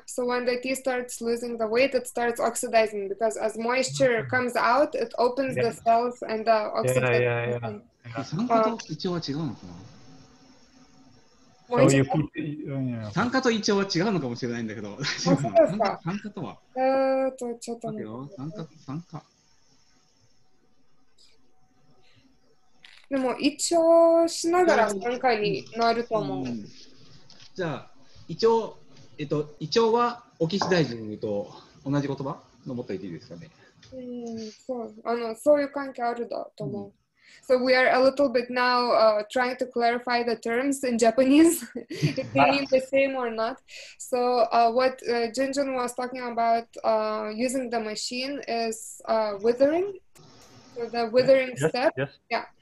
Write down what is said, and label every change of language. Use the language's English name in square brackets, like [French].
[English] So when the tea starts losing the weight, it starts oxidizing because as moisture comes out, it opens the cells and the oxidizes. [Japanese] でも胃腸しながら酸化になると思う。じゃあ胃腸、胃腸はオキシダイジングと同じ言葉の持っていていいですかね。そう、そういう関係あるだと思う。 [English] So we are a little bit now trying to clarify the terms in Japanese, if they mean the same or not. So what Junjun was talking about using the machine is withering. So the withering step. Yes.